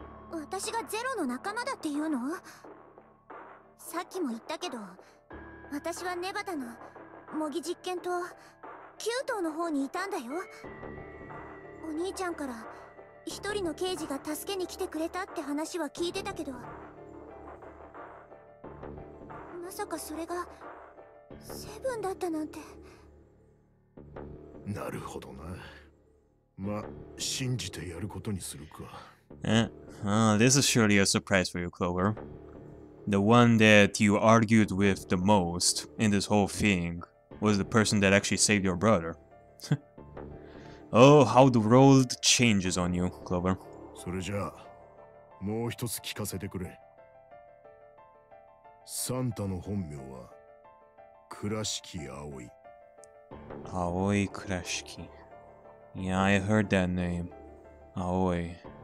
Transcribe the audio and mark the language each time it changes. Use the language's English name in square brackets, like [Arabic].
[Japanese] 私がゼロの仲間だっていうの？さっきも言ったけど、私はネバタの模擬実験棟9棟の方にいたんだよ。お兄ちゃんから一人の刑事が助けに来てくれたって話は聞いてたけど、まさかそれがセブンだったなんて。なるほどな。まあ信じてやることにするか。 [English] This is surely a surprise for you, Clover. The one that you argued with the most in this whole thing was the person that actually saved your brother. Oh, how the world changes on you, Clover. [Japanese] それじゃあ、もう一つ聞かせてくれ。サンタの本名は、倉敷葵。 [English] 葵倉敷。Yeah, I heard that name. 葵。